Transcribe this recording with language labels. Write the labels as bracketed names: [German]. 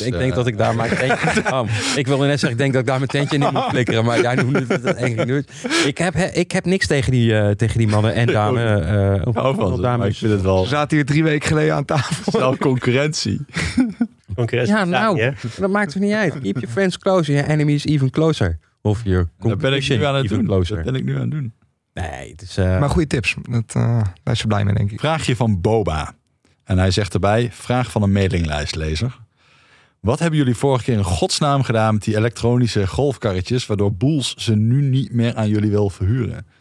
[Dutch] Ik denk dat ik daar mijn tentje in kwam. Ik wilde net zeggen, ik denk dat ik daar mijn tentje in moet flikkeren. Maar jij noemde het Angry Nerds. Ik heb niks tegen die mannen en dames. Ik vind het wel. We zaten hier 3 weken geleden aan tafel. Zelf concurrentie. Concurrentie. Ja, nou, dat maakt het niet uit. [English] Keep your friends closer, your enemies even closer. Of your competition. [Dutch] Dat ben ik nu aan het doen. [English] Closer. [Dutch] Dat ben ik nu aan het doen. Nee, het is. Maar goede tips. Daar is je blij mee, denk ik. Vraagje van Boba. En hij zegt erbij, vraag van een mailinglijstlezer. Wat hebben jullie vorige keer in godsnaam gedaan met die elektronische golfkarretjes, waardoor Boels ze nu niet meer aan jullie wil verhuren?